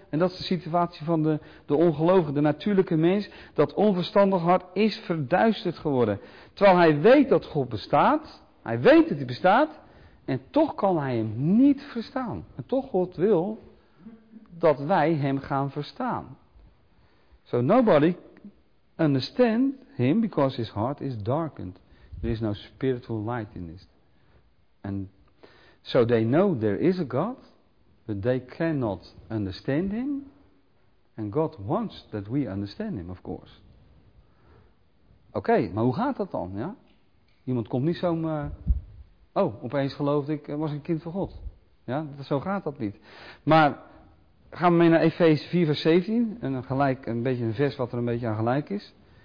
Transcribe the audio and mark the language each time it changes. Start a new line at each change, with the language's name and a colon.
Dutch: En dat is de situatie van de ongelovige, de natuurlijke mens. Dat onverstandig hart is verduisterd geworden. Terwijl hij weet dat God bestaat. Hij weet dat hij bestaat. En toch kan hij hem niet verstaan. En toch God wil dat wij hem gaan verstaan.
English: So nobody understand him because his heart is darkened. There is no spiritual light in this. And so they know there is a God, but they cannot understand him. And God wants that we understand him, of course.
Dutch: Oké, maar hoe gaat dat dan? Ja? Iemand komt niet zomaar... Oh, opeens geloofde ik, was ik een kind van God. Ja, zo gaat dat niet. Maar gaan we mee naar Efeze 4 vers 17. En gelijk een beetje een vers wat er een beetje aan gelijk is.